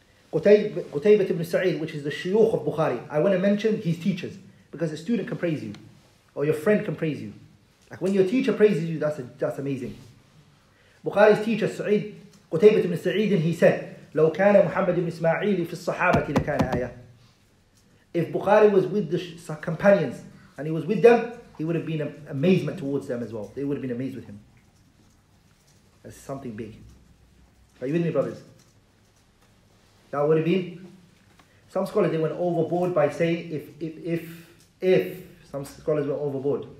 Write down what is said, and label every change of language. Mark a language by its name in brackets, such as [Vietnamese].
[English] Qutaybah ibn Sa'id, which is the shuyukh of Bukhari, I want to mention his teachers, because a student can praise you, or your friend can praise you. Like when your teacher praises you, that's amazing. Bukhari's teacher, Sa'id, Qutaybah ibn Sa'id, he said, [Arabic] لو كان محمد بن إسماعيل في الصحابة لكان آية. [English] If Bukhari was with the companions, and he was with them, he would have been amazement towards them as well. They would have been amazed with him. That's something big. Are you with me, brothers? That would have been, some scholars, they went overboard by saying, if, some scholars went overboard.